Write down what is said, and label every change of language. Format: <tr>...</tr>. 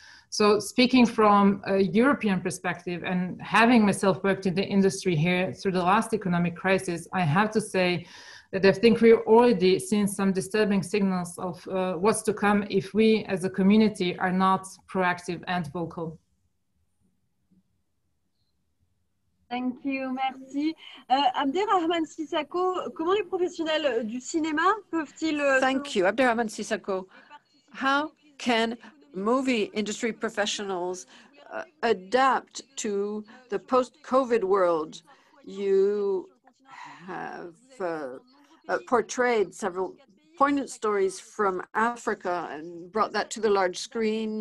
<en>So speaking from a European perspective and having myself worked in the industry here through the last economic crisis, I have to say that I think we've already seen some disturbing signals of what's to come if we as a community are not proactive and vocal. Thank you,</en> <fr>merci. Abderrahmane Sissako, comment les professionnels du cinéma peuvent-ils...</fr> <en>Thank you, Abderrahmane Sissako. How can movie industry professionals adapt to the post-COVID world? You have portrayed several poignant stories from Africa and brought that to the large screen.</en>